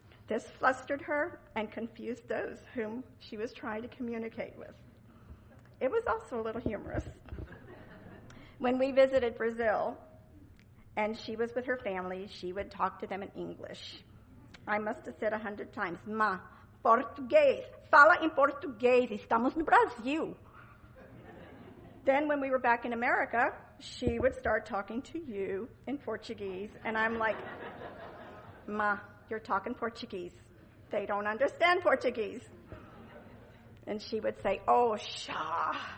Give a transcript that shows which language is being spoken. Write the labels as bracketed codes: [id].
[en] This flustered her and confused those whom she was trying to communicate with. It was also a little humorous. When we visited Brazil and she was with her family, she would talk to them in English. I must have said 100 times, Ma, [pt] Português, fala em português, estamos no Brasil. [en] Then when we were back in America, she would start talking to you in Portuguese, and I'm like, Ma, you're talking Portuguese. They don't understand Portuguese. And she would say, oh, shaw.